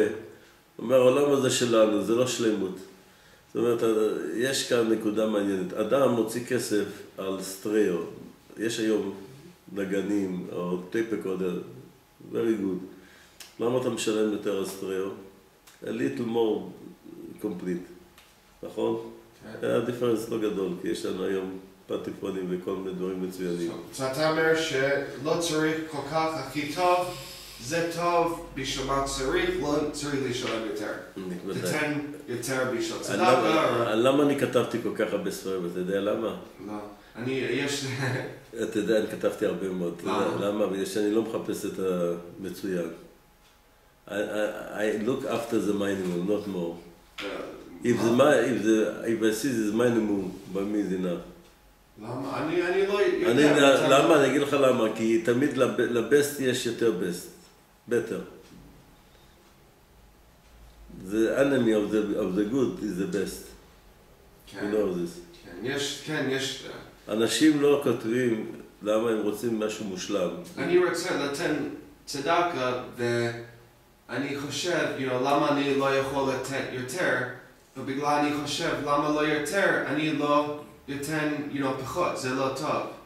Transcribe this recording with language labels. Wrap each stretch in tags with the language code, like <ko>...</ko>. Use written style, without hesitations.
<he>הוא אומר, העולם הזה שלנו, זה לא שלמות. זאת אומרת, יש כאן נקודה מעניינת. אדם מוציא כסף על סטריאו, יש היום נגנים, או טייפ רקורדר,</he> <en>very good.</en> <he>למה אתה משלם יותר אסטריאו?</he> <en>A little more complete,</en> <he>נכון? כן. הדיפרנס לא גדול, כי יש לנו היום פטיפונים וכל מיני דברים מצוינים. אז אתה אומר שלא צריך כל כך הכי טוב, זה טוב בשביל מה צריך, לא צריך לשלם יותר. תתן יותר בשביל צדק. למה אני כתבתי כל כך הרבה ספרים? אתה יודע למה? לא. אני, יש... אתה יודע, אני כתבתי הרבה מאוד. למה? בגלל שאני לא מחפש את המצוין.</he> <en>I look after the minimum, not more. If I see this minimum, by me is enough.</en> <he>למה? אני לא יודע. למה? אני אגיד לך למה. כי תמיד לבסט יש יותר בסט. בטר.</he> <en>The enemy of the good is the best.</en> <he>כן.</he> <en>You know this.</en> <he>כן, יש, כן, יש... אנשים לא כותבים למה הם רוצים משהו מושלם. אני רוצה לתן צדקה ואני חושב, you know, למה אני לא יכול לתת יותר, ובגלל אני חושב למה לא יותר, אני לא אתן, you know, פחות, זה לא טוב.</he>